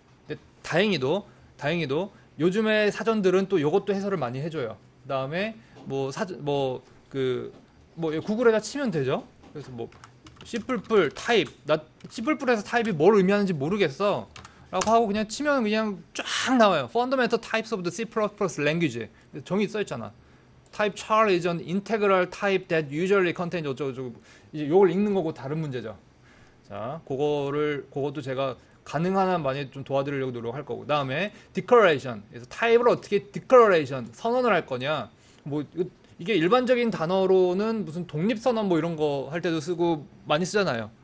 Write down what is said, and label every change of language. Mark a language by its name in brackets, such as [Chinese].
[Korean] 근데 다행히도 요즘에 사전들은 또 이것도 해설을 많이 해줘요. 그다음에 뭐 사전 뭐그뭐 구글에다 치면 되죠. 그래서 뭐 C++, 타입. 나 C++에서 타입이 뭘 의미하는지 모르겠어. 라고 하고 그냥 치면 그냥 쫙 나와요. [English] Fundamental types of the C++ language. [Korean] 정의 써있잖아. [English] Type char is an integral type that usually contains [Korean] 어쩌고저쩌고. 이제 이걸 읽는 거고 다른 문제죠. 자, 그것도 제가 가능한 한 많이 좀 도와드리려고 노력할 거고. 다음에 declaration. 그래서 타입을 어떻게 declaration, 선언을 할 거냐. 뭐, 이게 일반적인 단어로는 무슨 독립선언 뭐 이런 거할 때도 쓰고 많이 쓰잖아요.